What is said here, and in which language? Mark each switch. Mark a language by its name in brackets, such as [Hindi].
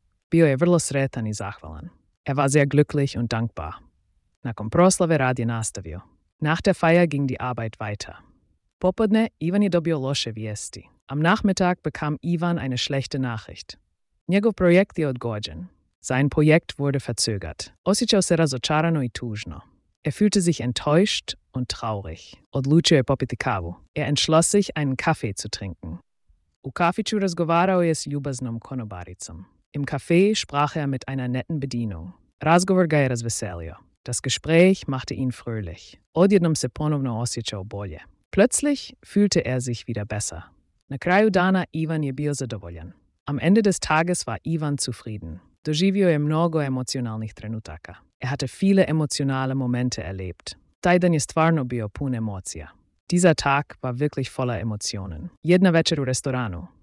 [Croatian] Bio je vrlo sretan i zahvalan. [German] Er war sehr glücklich und dankbar. [Croatian] Nakon proslave rad je nastavio. [German] Nach der Feier ging die Arbeit weiter. [Croatian] Popodne, Ivan je dobio loše vijesti. [German] Am Nachmittag bekam Ivan eine schlechte Nachricht. [Croatian] Njegov projekt je odgođen. [German] Sein Projekt wurde verzögert. [Croatian] Osjećao se razočarano i tužno. [German] Er fühlte sich enttäuscht und traurig. [Croatian] Odlučio je popiti kavu. [German] Er entschloss sich, einen Kaffee zu trinken. [Croatian] U kafiću razgovarao je s ljubaznom konobaricom. [German] Im Café sprach er mit einer netten Bedienung. [Croatian] Razgovor ga je razveselio. [German] Das Gespräch machte ihn fröhlich. [Croatian] Odjednom se ponovno osjećao bolje. [German] Plötzlich fühlte er sich wieder besser. [Croatian] Na kraju dana Ivan je bio zadovoljan. [German] Am Ende des Tages war Ivan zufrieden. [Croatian] Doživio je mnogo emocionalnih trenutaka. [German] Er hatte viele emotionale Momente erlebt. [Croatian] Taj dan je stvarno bio pun emocija. [German] Dieser Tag war wirklich voller Emotionen. [Croatian] Jedna večer u restoranu.